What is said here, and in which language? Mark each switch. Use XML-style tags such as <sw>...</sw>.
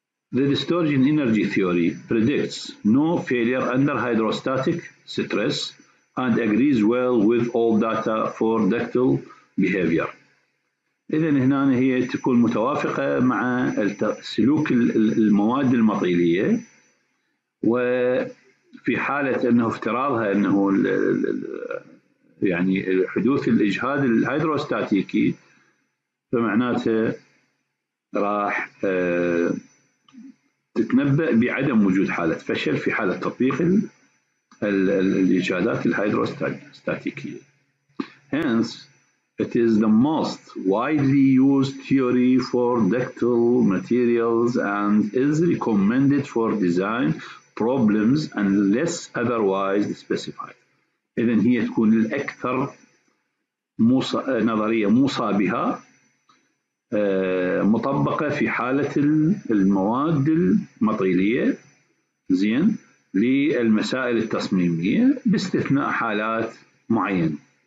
<en>The distortion energy theory predicts no failure under hydrostatic stress and agrees well with all data for ductile behavior.</en> <ar>إذن هنا هي تكون متوافقة مع سلوك المواد المطيلية، وفي حالة أنه افتراضها أنه يعني حدوث الإجهاد الهيدروستاتيكي فمعناته راح تتنبأ بعدم وجود حالة فشل في حالة تطبيق الإجهادات الهيدروستاتيكية.</ar> <en>Hence, it is the most widely used theory for ductile materials and is recommended for design problems unless otherwise specified.</en> <ar>إذن هي تكون الأكثر نظرية مصابها مطبقة في حالة المواد المطيلية. زين، للمسائل التصميمية باستثناء حالات معينة.</ar>